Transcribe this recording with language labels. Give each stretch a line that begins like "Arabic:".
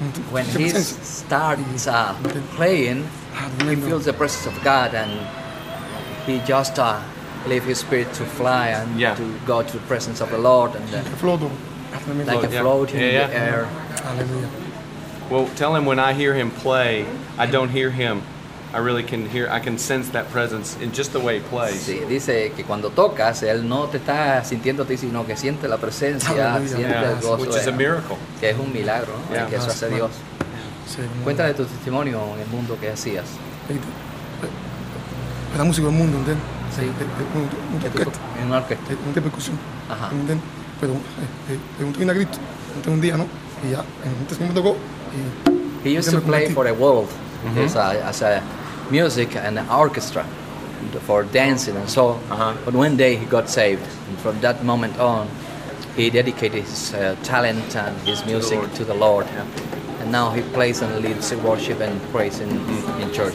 English: When he starts playing, he feels the presence of God, and he just leaves his spirit to fly and to go to the presence of the Lord. And Float in the air. Hallelujah. Well, tell him when I hear him play, I don't hear him. I really can hear, I can sense that presence in just the way he plays.
Spanish: Sí, dice que cuando tocas, él no te está sintiendo a ti, sino que siente la presencia, siente el gozo.
English: Which is a miracle.
Spanish: Que es un milagro, ¿no? Que eso hace Dios. Cuéntale tu testimonio en el mundo que hacías. La música del mundo, ¿entendés? Sí. En una orquesta. En una percusión. Ajá. Pero pregunté a Cristo, pregunté un día, ¿no? Y ya, en un testimonio tocó.
English: He used to play for the world. As a music and an orchestra for dancing and so. But one day he got saved, and from that moment on he dedicated his talent and his music to the Lord. And now he plays and leads worship and praise in church.